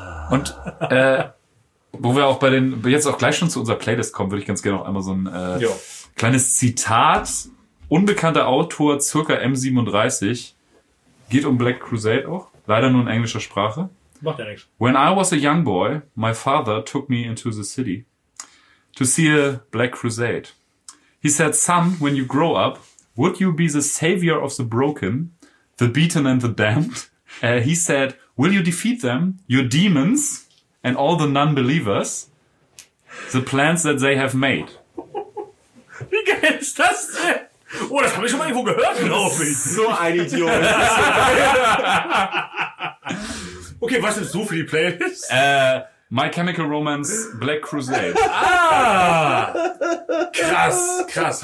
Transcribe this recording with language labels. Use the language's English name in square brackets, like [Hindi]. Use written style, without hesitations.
[German] Und wo wir auch bei den, jetzt auch gleich schon zu unserer Playlist kommen, würde ich ganz gerne noch einmal so ein kleines Zitat. Unbekannter Autor, circa M37, geht um Black Crusade auch, leider nur in englischer Sprache. Macht ja nichts. [English] When I was a young boy, my father took me into the city to see a Black Crusade. He said, son, when you grow up, would you be the savior of the broken, the beaten and the damned? He said, will you defeat them, your demons and all the non-believers, the plans that they have made? [German] Wie geil ist das denn? Oh, das habe ich schon mal irgendwo gehört, glaube ich. So ein Idiot. Okay, was nimmst du für die Playlist? [English] My Chemical Romance, Black Crusade. [German] Ah! Krass, krass.